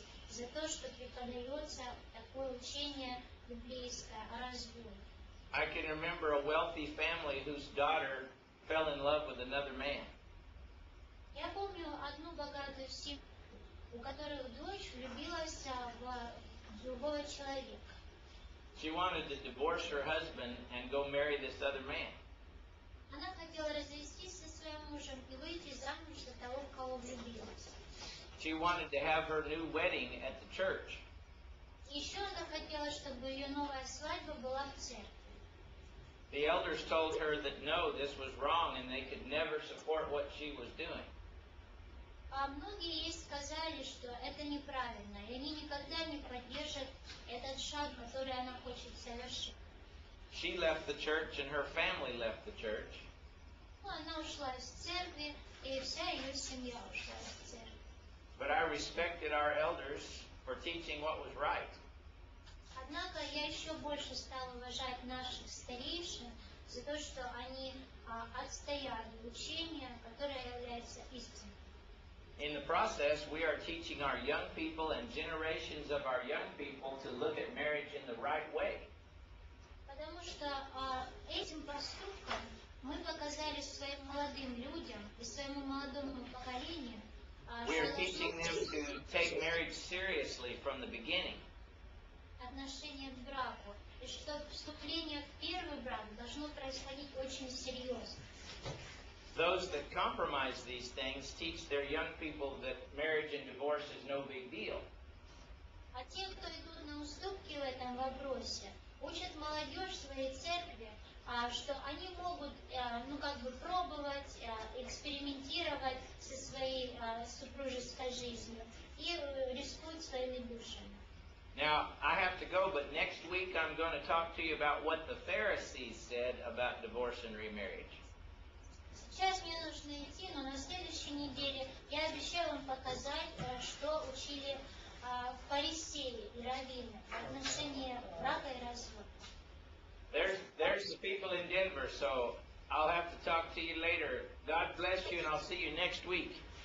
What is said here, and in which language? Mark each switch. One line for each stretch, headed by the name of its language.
Russian: За то, что преподается такое учение библейское о разводе.
English: I can remember a wealthy family whose daughter fell in love with another man.
Russian: Я помню одну богатую семью, у которой дочь влюбилась в другого человека.
English: She wanted to divorce her husband and go marry this other man.
Russian: Она хотела развестись со своим мужем и выйти замуж за того, в кого влюбилась.
English: She wanted to have her new wedding at the church.
Russian: Еще она хотела, чтобы ее новая свадьба была в церкви.
English: The elders told her that no, this was wrong, and they could never support what she was doing.
Russian: А многие ей сказали, что это неправильно, и они никогда не поддержат этот шаг, который она хочет совершить.
English: She left the church, and her family left the church.
Russian: Ну, она ушла из церкви, и вся ее семья ушла из церкви.
English: But I respected our elders for teaching what was right.
Russian: Однако я еще больше стал уважать наших старейшин за то, что они отстояли учение, которое является истиной.
English: In the process, we are teaching our young people and generations of our young people to look at marriage in the right way.
Russian: Потому что этим поступком мы показали своим молодым людям и своему молодому поколению.
English: We are teaching them to take marriage seriously from the beginning.
Russian: Отношение к браку, и что вступление в первый брак должно происходить очень серьезно.
English: Those that compromise these things teach their young people that marriage and divorce is no big deal.
Russian: А те, кто идут на уступки в этом вопросе, учат молодежь своей церкви, что они могут, ну как бы пробовать, экспериментировать со своей супружеской жизнью и рискуют своими душами.
English: Now I have to go, but next week I'm going to talk to you about what the Pharisees said about divorce and remarriage.
Russian: Сейчас мне нужно идти, но на следующей неделе я обещаю вам показать, что учили фарисеи и раввины в отношении брака и развода.
English: There's the people in Denver, so I'll have to talk to you later. God bless you, and I'll see you next week.